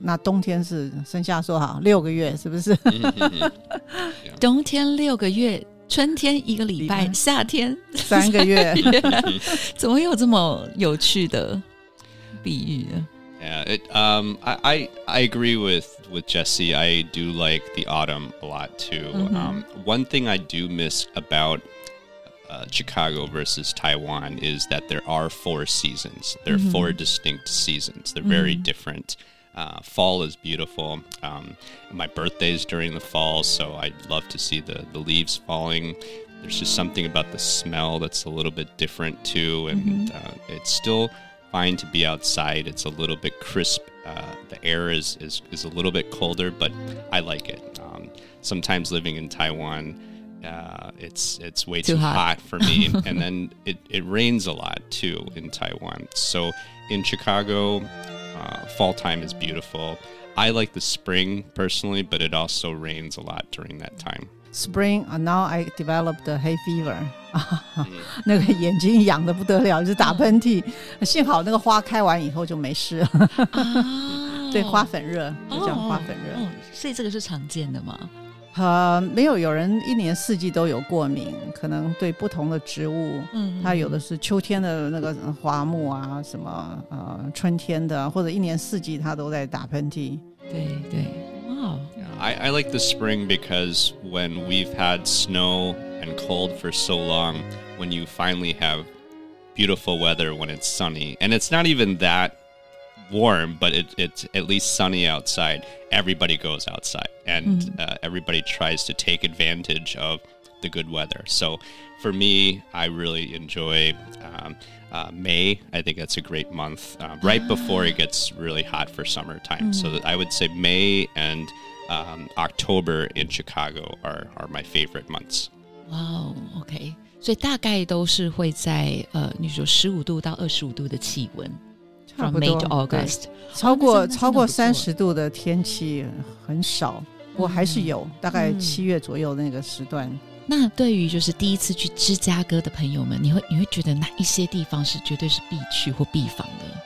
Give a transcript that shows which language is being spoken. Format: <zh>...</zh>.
<zh>那冬天是剩下说好六个月，是不是？冬天六个月。春天一个礼拜，夏天三个月怎么有这么有趣的比喻呢？</zh> <en>I agree with Jesse. I do like the autumn a lot too. One thing I do miss aboutChicago versus Taiwan is that there are four seasons. There are four distinct seasons. They're very different. Fall is beautiful. My birthday is during the fall, so I'd love to see the leaves falling. There's just something about the smell that's a little bit different, too. And it's still fine to be outside. It's a little bit crisp. The air is a little bit colder, but I like it. Sometimes living in Taiwan, it's way too hot for me. And then it rains a lot, too, in Taiwan. So in Chicago... fall time is beautiful. I like the spring personally, but it also rains a lot during that time. Spring, now I developed the hay fever.</en> <zh>那个眼睛痒得不得了，就打喷嚏。幸好那个花开完以后就没事了。对，花粉热，就叫花粉热。所以这个是常见的吗？没有，有人一年四季都有过敏，可能对不同的植物，它有的是秋天的那个花木啊，什么春天的，或者一年四季它都在打喷嚏。对对，</zh> <en>I like the spring because when we've had snow and cold for so long, when you finally have beautiful weather when it's sunny, and it's not even that warm, but it's at least sunny outside, everybody goes outside. And everybody tries to take advantage of the good weather. So for me, I really enjoy May. I think that's a great month, right before it gets really hot for summertime. So I would say May and October in Chicago are my favorite months. Wow, okay.</en> <zh>So 大概都是会在你说15度到25度的气温。</zh> <en>From May to August.</en> <zh>超过30度的天气很少，我还是有，大概七月左右那个时段。那对于就是第一次去芝加哥的朋友们，你会觉得哪一些地方是绝对是必去或必访的？</zh>